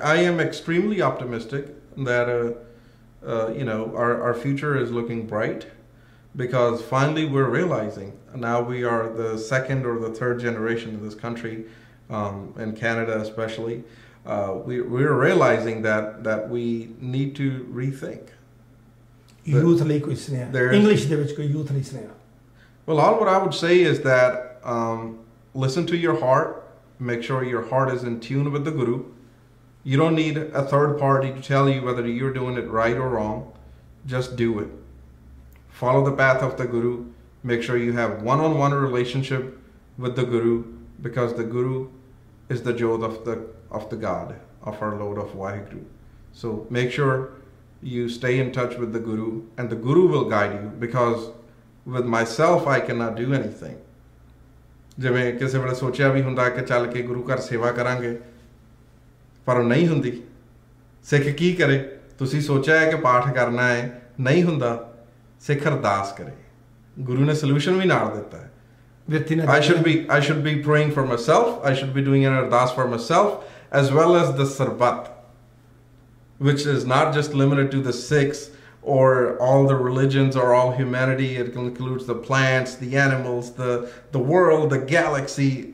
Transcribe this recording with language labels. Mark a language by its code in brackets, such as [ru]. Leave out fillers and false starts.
[en] I am extremely optimistic that you know our future is looking bright because finally we are realising now we are the second or the third generation in this country in Canada specially we are realising that we need to rethink. [pa] Youth ਲਈ ਕੋਈ ਸੁਨੇਹਾ English ਦੇ ਵਿੱਚ? ਕੋਈ youth ਲਈ ਸੁਨੇਹਾ? [en] Well, all what I would say is that listen to your heart, make sure your heart is in tune with the Guru. You don't need a third party to tell you whether you're doing it right or wrong. Just do it. Follow the path of the Guru. Make sure you have one-on-one relationship with the Guru, because the Guru is the Jyot of the God, of our Lord of Waheguru. So make sure you stay in touch with the Guru, and the Guru will guide you, because with myself I cannot do anything. [pa] ਜਿਵੇਂ ਕਿਸੇ ਵੇਲੇ ਸੋਚਿਆ ਵੀ ਹੁੰਦਾ ਕਿ ਚੱਲ ਕੇ ਗੁਰੂ ਘਰ ਸੇਵਾ ਕਰਾਂਗੇ, ਪਰ ਉਹ ਨਹੀਂ ਹੁੰਦੀ। ਸਿੱਖ ਕੀ ਕਰੇ? ਤੁਸੀਂ ਸੋਚਿਆ ਹੈ ਕਿ ਪਾਠ ਕਰਨਾ ਹੈ, ਨਹੀਂ ਹੁੰਦਾ। ਸਿੱਖ ਅਰਦਾਸ ਕਰੇ, ਗੁਰੂ ਨੇ ਸੋਲੂਸ਼ਨ ਵੀ ਨਾਲ ਦਿੱਤਾ। [en] I should be praying for myself, I should be doing an ardas for myself as well as the sarbat, which is not just limited to the Sikhs or all the religions or all humanity. It includes the plants, the animals, the world, the galaxy.